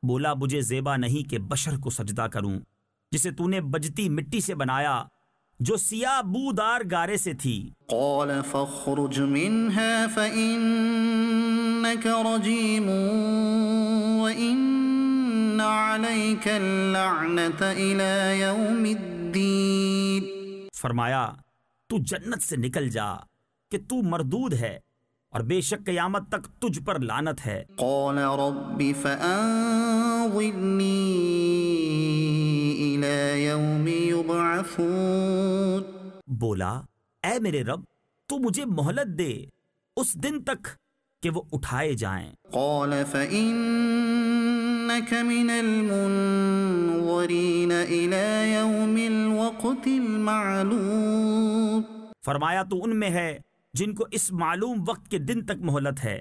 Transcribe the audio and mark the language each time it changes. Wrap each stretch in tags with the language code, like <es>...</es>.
<ur>بولا مجھے زیبا نہیں کہ بشر کو سجدہ کروں جسے تو نے بجتی مٹی سے بنایا جو سیاہ بودار گارے سے تھی</ur> <ar>قال فاخرج منها فإنك رجيم وإن عليك اللعنة إلى يوم الدين</ar> <ur>فرمایا تو جنت سے نکل جا کہ تو مردود ہے اور بے شک قیامت تک تجھ پر لعنت ہے</ur> <ar>قال رب فأنظرنی الی یوم یبعثون</ar> <ur>بولا اے میرے رب تو مجھے مہلت دے اس دن تک کہ وہ اٹھائے جائیں</ur> <ar>قال فإنك من المنظرین الی یوم الوقت المعلوم</ar> <ur>فرمایا تو ان میں ہے جن کو اس معلوم وقت کے دن تک مہلت ہے</ur>